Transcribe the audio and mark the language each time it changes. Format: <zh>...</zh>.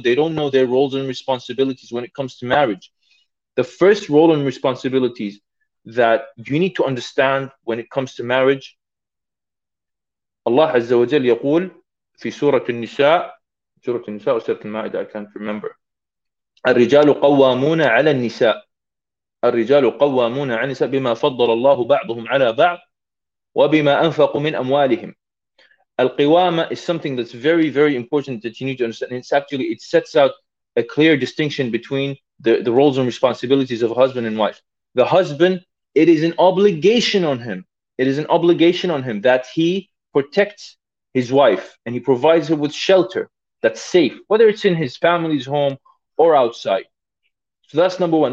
<en>They don't know their roles and responsibilities when it comes to marriage. The first role and responsibilities that you need to understand when it comes to marriage,</en> <ar>Allah Azza wa Jal yaqul fi Surah An-Nisa</ar> <en>or Surah Al-Ma'idah, I can't remember.</en> <ar>الرجال قوامون على النساء الرجال قوامون على النساء بما فضل الله بعضهم على بعض وبما أنفقوا من أموالهم.</ar> <en>القوامة is something that's very, very important that you need to understand. It's actually, it sets out a clear distinction between the roles and responsibilities of husband and wife. The husband, it is an obligation on him. It is an obligation on him that he protects his wife and he provides her with shelter that's safe, whether it's in his family's home or outside. So that's number one.</en>